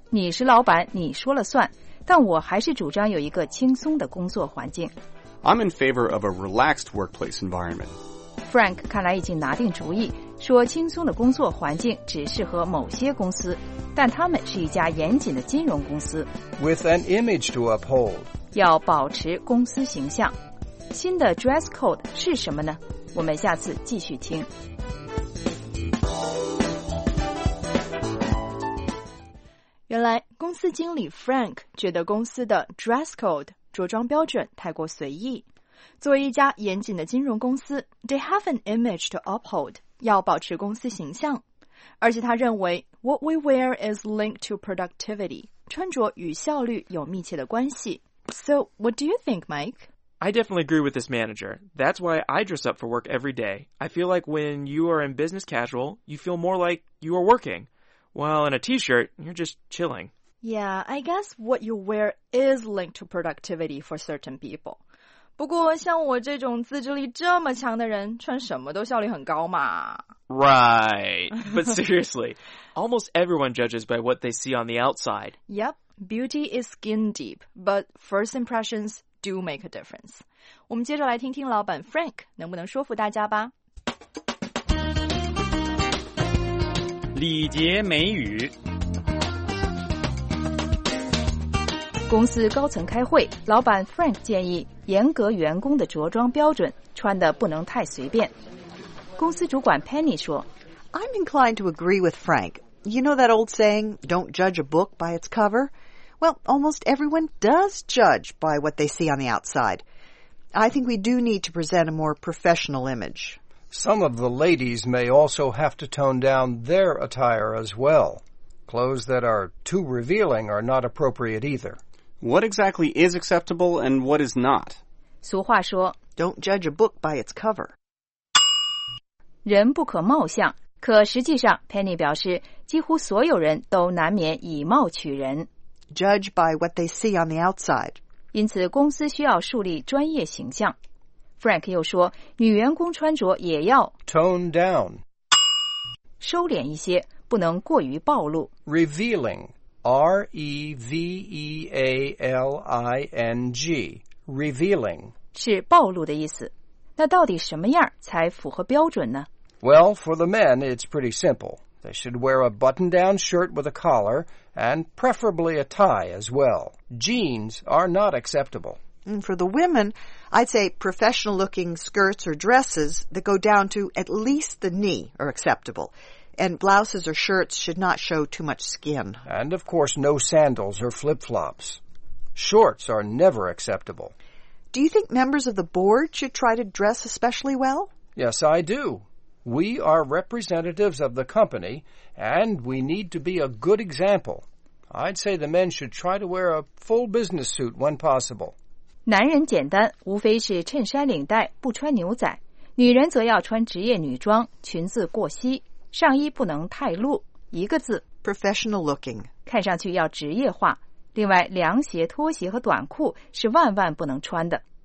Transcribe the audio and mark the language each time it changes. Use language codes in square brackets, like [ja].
[zh] 你是老板,你说了算,但我还是主张有一个轻松的工作环境。 [en] I'm in favor of a relaxed workplace environment. [zh] Frank 看来已经拿定主意,说轻松的工作环境只适合某些公司,但他们是一家严谨的金融公司。 [en] With an image to uphold. [zh] 要保持公司形象。新的 dress code 是什么呢? 我们下次继续听。原来公司经理 Frank 觉得公司的 dress code 着装标准太过随意。作为一家严谨的金融公司 , [en] they have an image to uphold, [zh] 要保持公司形象。而且他认为 , [en] what we wear is linked to productivity, [zh] 穿着与效率有密切的关系。 [en] So, what do you think, Mike? I definitely agree with this manager. That's why I dress up for work every day. I feel like when you are in business casual, you feel more like you are working. While in a t-shirt, you're just chilling. Yeah, I guess what you wear is linked to productivity for certain people. [zh] 不过像我这种自制力这么强的人穿什么都效率很高嘛。 [en] Right. But seriously, almost everyone judges by what they see on the outside. Yep, beauty is skin deep, but first impressions do make a difference. [zh] 我们接着来听听老板 Frank 能不能说服大家吧。礼节美语。公司高层开会，老板 Frank 建议严格员工的着装标准，穿得不能太随便。公司主管 Penny 说 [en] I'm inclined to agree with Frank. You know that old saying, don't judge a book by its cover? Well, almost everyone does judge by what they see on the outside. I think we do need to present a more professional image. Some of the ladies may also have to tone down their attire as well. Clothes that are too revealing are not appropriate either. What exactly is acceptable and what is not? [zh] 俗话说, [en] Don't judge a book by its cover. [zh] 人不可貌相,可实际上 Penny 表示几乎所有人都难免以貌取人。 [en] Judge by what they see on the outside. [zh] 因此公司需要树立专业形象。 Frank 又说，女员工穿着也要 [en] tone down， [zh] 收敛一些，不能过于暴露。 [en] Revealing， R E V E A L I N G， revealing [zh] 是暴露的意思。那到底什么样才符合标准呢 [en] ？Well, for the men, it's pretty simple. They should wear a button-down shirt with a collar, and preferably a tie as well. Jeans are not acceptable. And for the women, I'd say professional-looking skirts or dresses that go down to at least the knee are acceptable. And blouses or shirts should not show too much skin. And, of course, no sandals or flip-flops. Shorts are never acceptable. Do you think members of the board should try to dress especially well? Yes, I do. We are representatives of the company, and we need to be a good example. I'd say the men should try to wear a full business suit when possible. [zh] 男人简单，无非是衬衫领带，不穿牛仔。女人则要穿职业女装，裙子过膝，上衣不能太露。一个字 [en] ，professional looking， [zh] 看上去要职业化。另外，凉鞋、拖鞋和短裤是万万不能穿的。